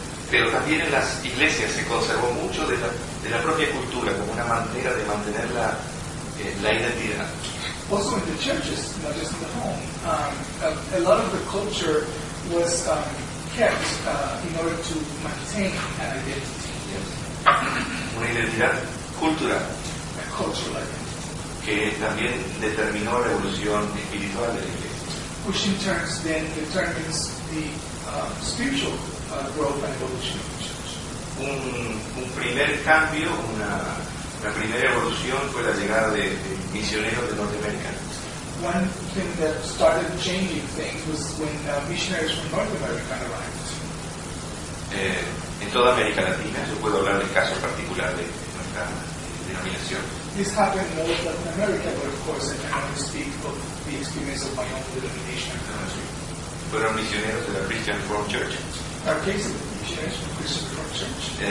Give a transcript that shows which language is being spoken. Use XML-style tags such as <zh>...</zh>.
<es>Pero también en las iglesias se conservó mucho de la propia cultura como una manera de mantener la identidad.</es> <en>Also in the churches, not just in the home, a lot of the culture was kept in order to maintain an identity. Yes.</en> <es>Una identidad cultural.</es> <en>A cultural identity.</en> <es>Que también determinó la evolución espiritual de la iglesia.</es> <en>Which in turn then determines the spiritual growth and evolution of the church.</en> <es>Un primer cambio, una primera evolución fue la llegada de misioneros de Norteamérica.</es> <en>One thing that started changing things was when missionaries from North America arrived.</en> <es>En toda América Latina, yo puedo hablar del caso particular de nuestra denominación.</es> <en>This happened in all of Latin America, but of course I cannot speak of the experience of my own denomination.</en> <es>Fueron misioneros de la Christian Reformed Church.</es> <en>Our case of missionaries from Christian Reformed Church.</en>